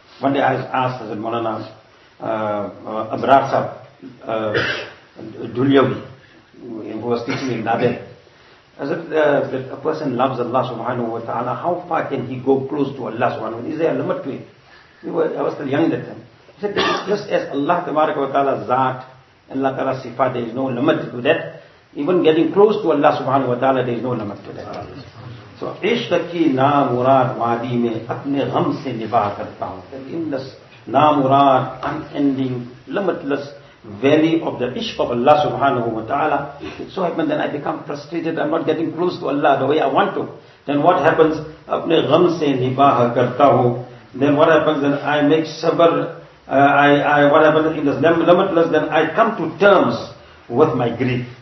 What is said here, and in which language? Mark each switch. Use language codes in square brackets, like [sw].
[en] One day I asked Hazrat Maulana Abrar Sahib Dulyawi, who was teaching in Dabe, Hazrat, a person loves Allah subhanahu wa ta'ala, how far can he go close to Allah subhanahu wa ta'ala? Is there a limit to it? I was still young at that time. He said, just as Allah tabaraka wa ta'ala zaat, Allah ta'ala sifat, there is no limit to that. Even getting close to Allah subhanahu wa ta'ala, there is no limit to that. [ur] So, عشق کی نامراد وادی میں اپنے غم سے نباہ کرتا ہوں. [en] In this نامراد, unending, limitless valley of the عشق of Allah subhanahu wa ta'ala, it so happens that I become frustrated, I'm not getting close to Allah the way I want to. Then what happens? [ur] اپنے غم سے نباہ کرتا ہوں. [en] Then what happens? Then I make sabr, what happens in this limitless, then I come to terms with my grief.